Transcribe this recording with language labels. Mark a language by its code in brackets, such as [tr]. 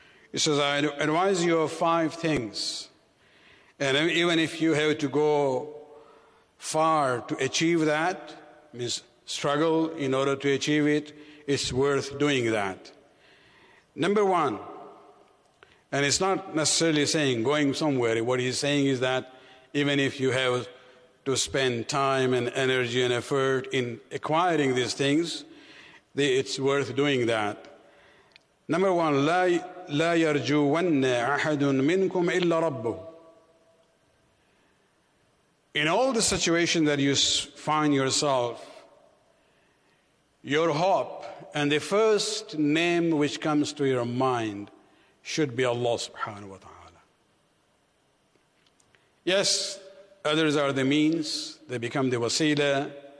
[en] He says, "I advise you of five things, and even if you have to go far to achieve that, means struggle in order to achieve it, it's worth doing that." Number one. And it's not necessarily saying going somewhere. What he's saying is that even if you have to spend time and energy and effort in acquiring these things, it's worth doing that. Number one, [ar] لا يرجون أحد منكم إلا ربه. [en] In all the situation that you find yourself, your hope and the first name which comes to your mind should be Allah subhanahu wa ta'ala. Yes, others are the means, they become the wasila,